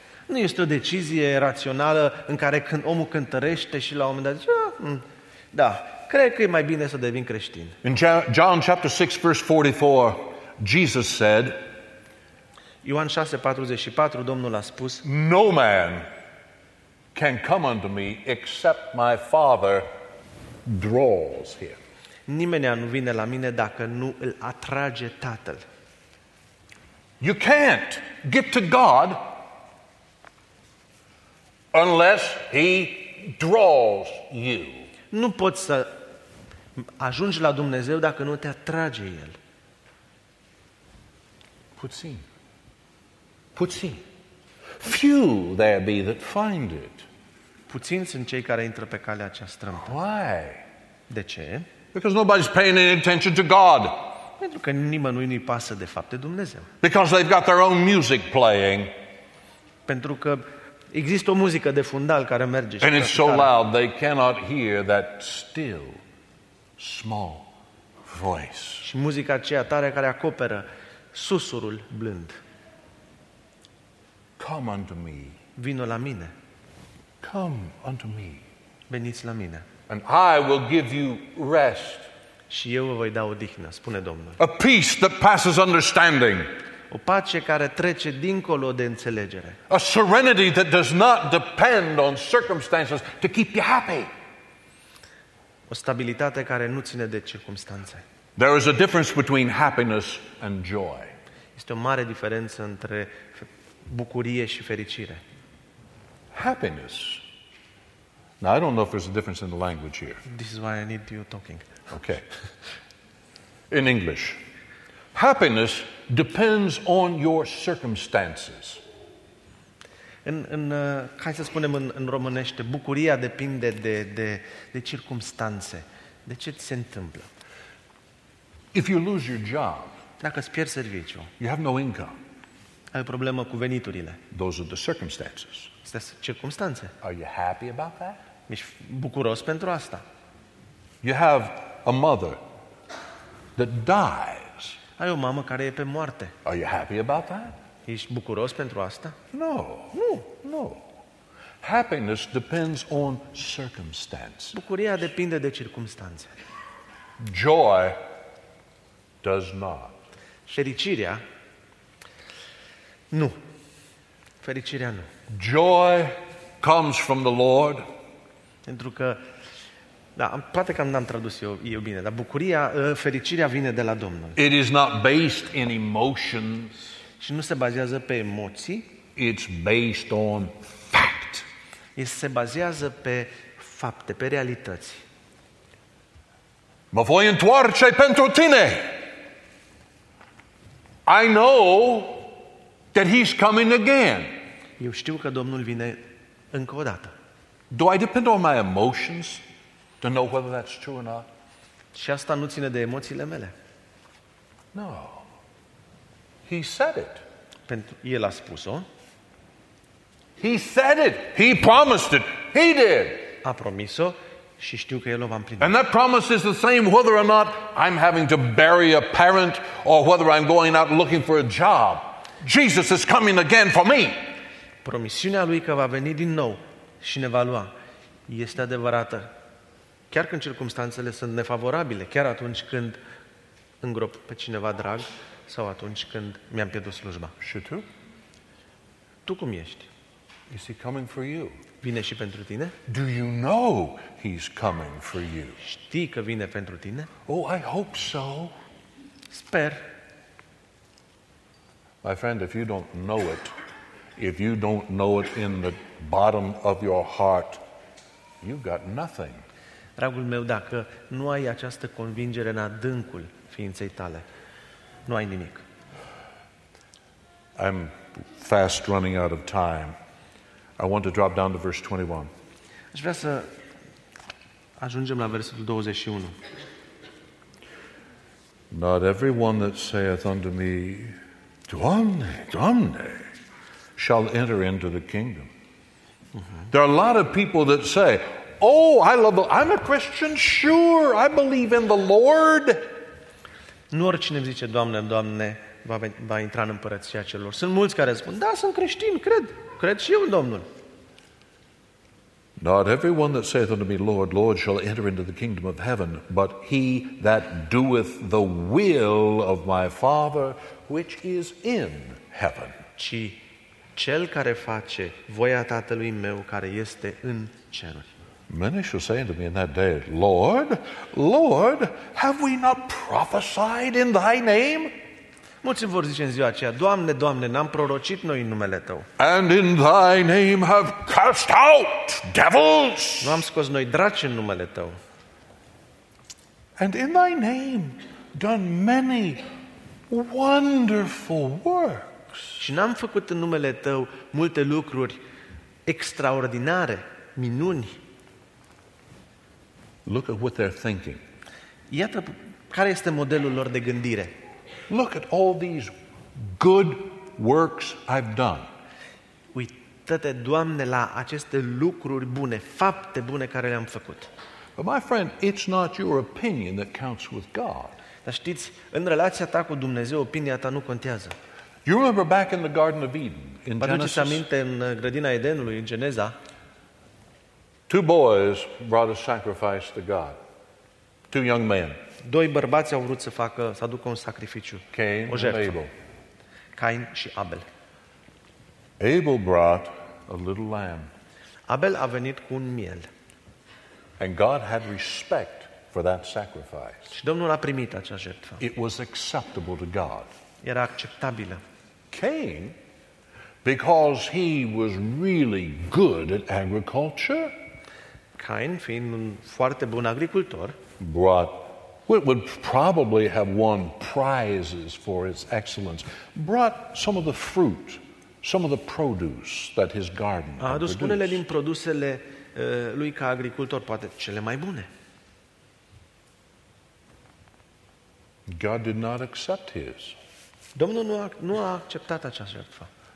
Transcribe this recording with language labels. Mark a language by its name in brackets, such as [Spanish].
[Romanian] Nu este o decizie rațională în care când omul cântărește și la un moment dat zice, da, cred că e mai bine să devin creștin. [English] In John chapter 6 verse 44, Jesus said, [Romanian] Ioan 6:44, Domnul a spus, [English] no man can come unto me except my Father draws him. [Romanian] Nimeni nu vine la mine dacă nu îl atrage Tatăl. [English] You can't get to God unless he draws you. [Romanian] Nu poți să ajungi la Dumnezeu dacă nu te atrage el. Puțin. Puțin. [English] Few there be that find it. [Romanian] Puțin sunt cei care intră pe calea aceea strâmtă. [English] Why? [Romanian] De ce? [English] Because nobody's paying any attention to God. [Romanian] Pentru că nimănui nu-i pasă de fapt de Dumnezeu. [English] Because they've got their own music playing. [Romanian] Pentru că există o muzică de fundal care merge. [English] And it's so loud they cannot hear that still small voice. [Romanian] Și muzica aceea tare care acoperă susurul blând. [English] Come unto me. [Romanian] Vino la mine. [English] Come unto me. [Romanian] Veniți la mine. [English] And I will give you rest. [Romanian] Și eu vă voi da odihnă, spune Domnul. [English] A peace that passes understanding. [Romanian] O pace care trece dincolo de înțelegere. [English] A serenity that does not depend on circumstances to keep you happy. [Romanian] O stabilitate care nu ține de circumstanțe. [English] There is a difference between happiness and joy. [Romanian] Este o mare diferență între bucurie și fericire. [English] Happiness. Now I don't know if there's a difference in the language here. This is why I need you talking. Okay. In English. Happiness depends on your circumstances. [Romanian] Hai să spunem în românește, bucuria depinde de circumstanțe. De ce ți se întâmplă? [English] If you lose your job, [Romanian] dacă îți pierzi serviciul, [English] you have no income. [Romanian] Ai o problemă cu veniturile. [English] Those are the circumstances. [Romanian] Astea sunt circumstanțe. [English] Are you happy about that? [Romanian] Ești bucuros pentru asta? [English] You have a mother that died. [Romanian] Ai o mamă care e pe moarte. [English] Are you happy about that? [Romanian] Ești bucuros pentru asta? [English] No. [Romanian] Nu. [English] No. Happiness depends on circumstances. [Romanian] Bucuria depinde de circumstanțe. [English] Joy does not. [Romanian] Fericirea? Nu. Fericirea nu. [English] Joy comes from the Lord. [Romanian] Pentru că da, poate că n-am tradus eu bine, dar bucuria, fericirea vine de la Domnul. [English] It is not based in emotions. [Romanian] Și nu se bazează pe emoții. [English] It's based on fact. [Romanian] Se bazează pe fapte, pe realități. Mă voi întoarce pentru tine. [English] I know that he's coming again. [Romanian] Eu știu că Domnul vine încă o dată. [English] Do I depend on my emotions to know whether that's true or not? [Romanian] Și asta nu ține de emoțiile mele. [English] No. He said it. [Romanian] El a spus-o. [English] He said it. He promised it. He did. [Romanian] A promis-o și știu că el o va împlini. [English] And that promise is the same whether or not I'm having to bury a parent or whether I'm going out looking for a job. Jesus is coming again for me. [Romanian] Promisiunea lui că va veni din nou și ne va lua este adevărată. Chiar când circumstanțele sunt nefavorabile, chiar atunci când îngrop pe cineva drag sau atunci când mi-am pierdut slujba. Și tu? Tu cum ești? [English] Is he coming for you? [Romanian] Vine și pentru tine? [English] Do you know he's coming for you? [Romanian] Știi că vine pentru tine? [English] Oh, I hope so. [Romanian] Sper. [English] My friend, if you don't know it, if you don't know it in the bottom of your heart, you've got nothing. [Romanian] Dragul meu, dacă nu ai această convingere în adâncul ființei tale, nu ai nimic. [English] I'm fast running out of time. I want to drop down to verse 21. [Romanian] Aș vrea să ajungem la versetul 21. [English] Not everyone that saith unto me, [Romanian] Doamne, Doamne, [English] shall enter into the kingdom. There are a lot of people that say, oh, I'm a Christian, sure, I believe in the Lord. [Romanian] Nu oricine îmi zice, Doamne, Doamne, va intra în împărăția celor. Sunt mulți care spun, da, sunt creștin, cred și eu în Domnul. [English] Not everyone that saith unto me, Lord, Lord, shall enter into the kingdom of heaven, but he that doeth the will of my Father, which is in heaven. [Romanian] Ci cel care face voia Tatălui meu care este în ceruri. [English] Many shall say unto me in that day, Lord, Lord, have we not prophesied in thy name? [Romanian] Mulți vor zice în ziua aceea, Doamne, Doamne, n-am prorocit noi în numele Tău. [English] And in thy name have cast out devils. [Romanian] Nu am scos noi draci în numele Tău. [English] And in thy name done many wonderful works. [Romanian] Și n-am făcut în numele Tău multe lucruri extraordinare, minuni. [English] Look at what they're thinking. [Romanian] Iată care este modelul lor de gândire. [English] Look at all these good works I've done. [Romanian] Uită-te, Doamne, la aceste lucruri bune, fapte bune care le-am făcut. [English] But my friend, it's not your opinion that counts with God. [Romanian] Dar știți, în relația ta cu Dumnezeu, opinia ta nu contează. [English] You remember back in the Garden of Eden, in Genesis? [Romanian] Aduceți aminte în grădina Edenului, în Geneza? [English] Two boys brought a sacrifice to God. Two young men. [Romanian] Doi bărbați au vrut să aducă un sacrificiu, [English] Cain [Romanian] o jertfă. [English] And Abel. [Romanian] Cain și Abel. [English] Abel brought a little lamb. [Romanian] Abel a venit cu un miel. [English] And God had respect for that sacrifice. [Romanian] Și Domnul a primit acea jertfă. [English] It was acceptable to God. [Romanian] Era acceptabilă. [English] Cain, because he was really good at agriculture, [Romanian] Cain, fiind un foarte bun agricultor, [English] brought it would probably have won prizes for its excellence, brought some of the fruit, some of the produce that his garden had produced. [Romanian] A adus unele din produsele lui ca agricultor, poate cele mai bune. [English] God did not accept his. [Romanian] Domnul nu a acceptat acea jertfă.